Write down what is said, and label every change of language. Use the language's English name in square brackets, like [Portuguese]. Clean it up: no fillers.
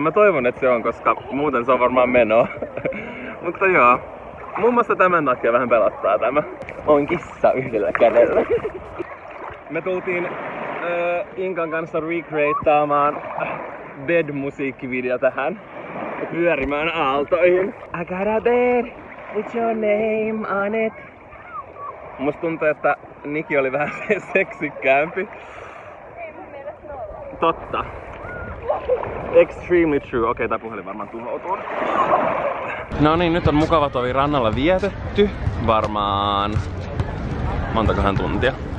[Finnish] Mä toivon, että se on, koska muuten se on varmaan menoa. Mutta joo. Muun muassa tämän takia vähän pelottaa tämä. On kissa yhdellä kädellä. Me tultiin Inkan kanssa recreateaamaan bed musiikkivideo tähän pyörimään aaltoihin. [English] I got a bed with your name on it. [Finnish] Musta tuntuu, että Niki oli vähän seksikkäämpi. Totta. [English] Extremely true. [Finnish] Okei, tää puhelin varmaan tuhoutuu. No niin, nyt on mukava tovi rannalla vietetty. Varmaan montakohan tuntia.